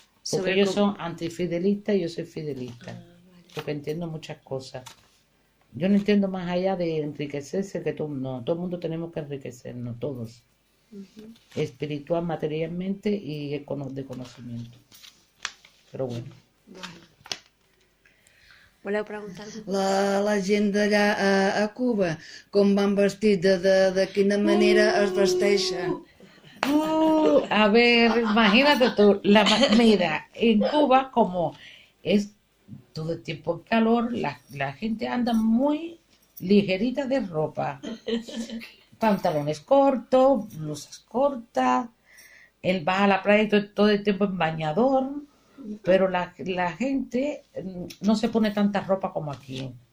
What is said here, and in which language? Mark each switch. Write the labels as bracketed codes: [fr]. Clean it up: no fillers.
[es] Porque ellos son antifidelistas y yo soy fidelista. Porque entiendo muchas cosas. Yo no entiendo más allá de enriquecerse que todo, no, todo el mundo tenemos que enriquecernos, todos. Espiritual, materialmente y de conocimiento. [ca] Però bueno. Voleu preguntar? La gent d'allà a Cuba, com van vestits, de quina manera es vesteixen? [es] A ver, imagínate tu, la manera en Cuba como es todo el tiempo en calor, la gente anda muy ligerita de ropa. Pantalones cortos, blusas cortas, él va a la playa todo el tiempo en bañador, pero la gente no se pone tanta ropa como aquí.